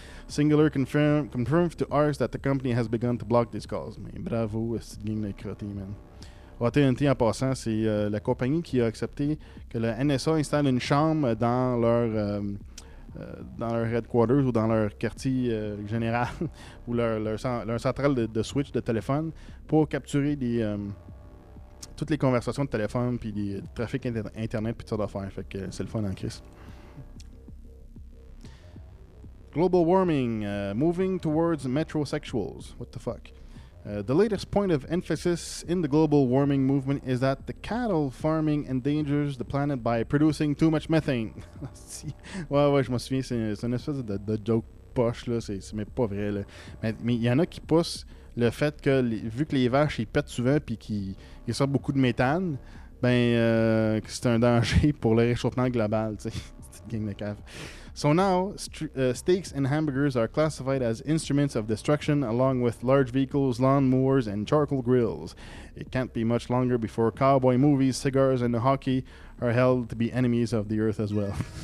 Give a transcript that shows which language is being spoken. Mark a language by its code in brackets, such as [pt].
[en] Singular confirmed to ARS that the company has begun to block these calls. [fr] Mais bravo, cette gang de crottés, man. AT&T, en passant, c'est la compagnie qui a accepté que la NSA installe une chambre dans leur headquarters ou dans leur quartier général ou leur centrale de switch de téléphone pour capturer des... toutes les conversations de téléphone puis les trafic internet puis tout ça d'affaires. Fait que c'est le fun en crise. [en] Global warming, moving towards metrosexuals. What the fuck? The latest point of emphasis in the global warming movement is that the cattle farming endangers the planet by producing too much methane. [fr] Si. Ouais, je me souviens, c'est une espèce de joke poche, là. C'est pas vrai, là. Mais il y en a qui poussent le fait que, vu que les vaches, ils pètent souvent puis qu'ils sortent beaucoup de méthane, ben, que c'est un danger pour le réchauffement global, tu sais. Petite gang de cave. [en] So now, steaks and hamburgers are classified as instruments of destruction, along with large vehicles, lawnmowers, and charcoal grills. It can't be much longer before cowboy movies, cigars, and hockey are held to be enemies of the earth as well.